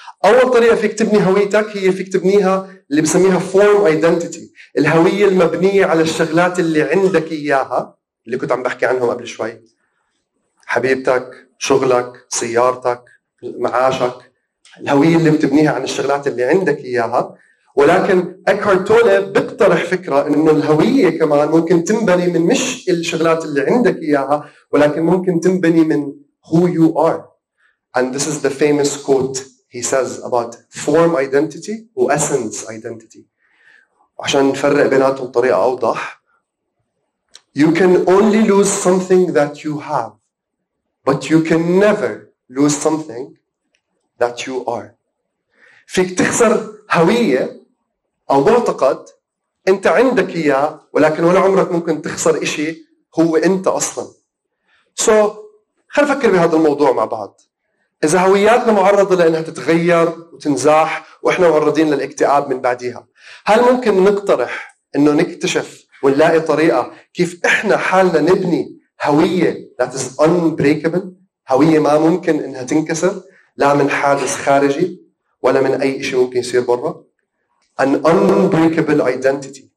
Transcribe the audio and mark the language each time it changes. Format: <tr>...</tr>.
<ar>أول طريقة فيك تبني هويتك هي فيك تبنيها اللي بسميها form identity، الهوية المبنية على الشغلات اللي عندك إياها اللي كنت عم بحكي عنهم قبل شوي، حبيبتك، شغلك، سيارتك، معاشك، الهوية اللي بتبنيها عن الشغلات اللي عندك إياها. ولكن إيكهارت تولي بيقترح فكرة إنه الهوية كمان ممكن تنبني من مش الشغلات اللي عندك إياها، ولكن ممكن تنبني من</ar> <en>who you are. And this is the famous quote he says about form identity and essence identity.</en> <ar>عشان نفرق بيناتهم بطريقة أوضح.</ar> <en>You can only lose something that you have, but you can never lose something that you are.</en> <ar>فيك تخسر هوية أو معتقد أنت عندك إياه، ولكن ولا عمرك ممكن تخسر إشي هو أنت أصلاً. So خلينا نفكر بهذا الموضوع مع بعض. إذا هوياتنا معرضة لأنها تتغير وتنزاح وإحنا معرضين للاكتئاب من بعدها، هل ممكن نقترح إنه نكتشف ونلاقي طريقة كيف إحنا حالنا نبني هوية</ar> <en>that is unbreakable،</en> <ar>هوية ما ممكن إنها تنكسر لا من حادث خارجي ولا من أي إشي ممكن يصير برا؟</ar> <en>An unbreakable identity.</en>